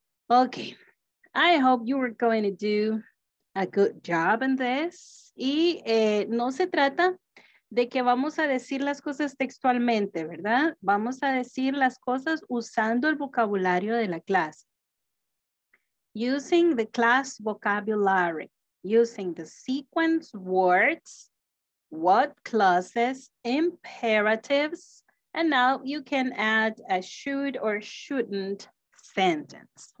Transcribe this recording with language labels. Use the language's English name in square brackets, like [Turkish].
[English] Okay, I hope you are going to do a good job in this. [Spanish] Y no se trata de que vamos a decir las cosas textualmente, ¿verdad? Vamos a decir las cosas usando el vocabulario de la clase. [English] Using the class vocabulary, using the sequence words, what clauses, imperatives, and now you can add a should or shouldn't sentence.